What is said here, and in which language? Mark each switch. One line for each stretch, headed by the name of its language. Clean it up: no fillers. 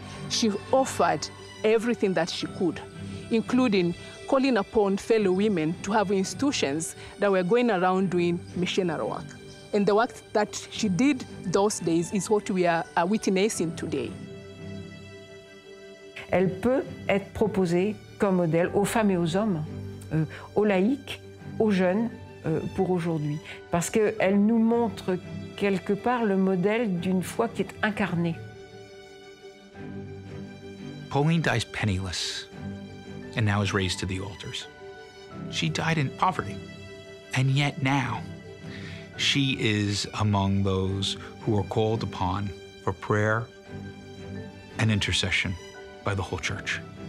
English: She offered everything that she could, including calling upon fellow women to have institutions that were going around doing missionary work. And the work that she did those days is what we are witnessing today.
French: Elle peut être proposée comme modèle aux femmes et aux hommes, aux laïcs, aux jeunes, pour aujourd'hui. Parce qu'elle nous montre quelque part le modèle d'une foi qui est incarnée.
English: Pauline dies penniless and now is raised to the altars. She died in poverty, and yet now she is among those who are called upon for prayer and intercession by the whole church.